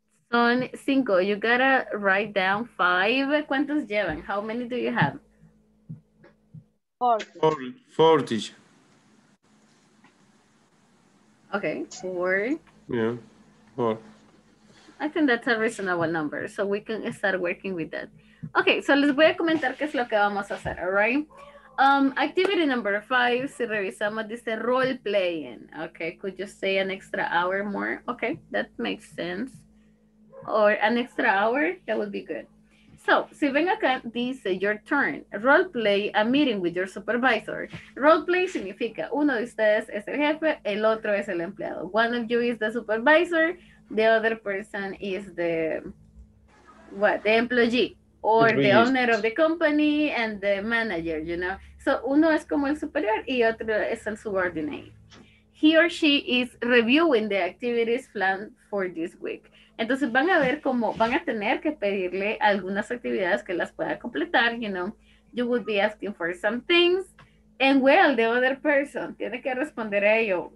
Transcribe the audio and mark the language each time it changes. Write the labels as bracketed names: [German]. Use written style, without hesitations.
[Spanish] Son cinco. [English] You gotta write down five. [Spanish] ¿Cuántos llevan? [English] How many do you have? 40. Okay, 4. Yeah, 4. I think that's a reasonable number, so we can start working with that. [Spanish] Okay, so les voy a comentar qué es lo que vamos a hacer, [English] all right? Activity number 5, [Spanish] si revisamos, dice [English] role playing. Okay, could you stay an extra hour more? Okay, that makes sense. Or an extra hour, that would be good. So, [Spanish] si ven acá, dice [English] your turn. Role play a meeting with your supervisor. [Spanish] Role play significa uno de ustedes es el jefe, el otro es el empleado. [English] One of you is the supervisor, the other person is the, what, the employee. Or the owner of the company and the manager, you know. [Spanish] So uno es como el superior y otro es el subordinate. [English] He or she is reviewing the activities planned for this week. [Spanish] Entonces van a ver cómo van a tener que pedirle algunas actividades que las pueda completar, [English] you know. You would be asking for some things. And well, the other person [Spanish] tiene que responder a ello.